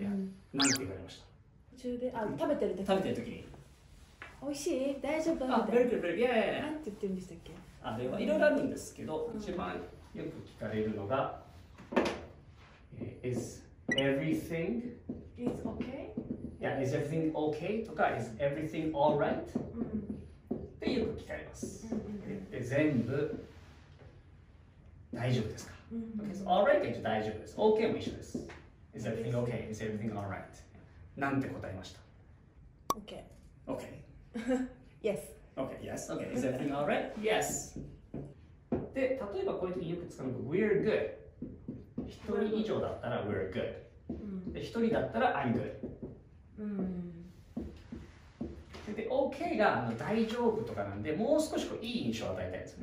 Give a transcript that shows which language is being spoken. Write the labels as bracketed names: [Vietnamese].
[Japanese] いや何て言われました？途中で、あ、食べてる時、食べてる時に美味しい？大丈夫？あ、ベルベルベル、いやいやいや、何て言ってるんでしたっけ？あ、でもいろいろあるんですけど、うん、一番よく聞かれるのが、 [English] Is everything Is okay? Yeah, is everything okay? [Japanese] とか、 [English] Is everything alright? [Japanese] うん、でよく聞かれます、うんうん、で全部大丈夫ですか、うんうん、 [English] okay, so、All right, [Japanese] 大丈夫です。 [English] OK [Japanese] も一緒です。 [English] Is everything OK? Is everything all right? [Japanese] なんて答えました？ [English] OK OK Yes OK, yes, OK, is everything all right? [Japanese] Yes で、例えばこういう時によく使うのが [English] We're good [Japanese] 一人以上だったら We're good、うん、で、一人だったら [English] I'm good、 [Japanese] うん、で、OK が大丈夫とかなんで、もう少しこういい印象を与えたいんですよ、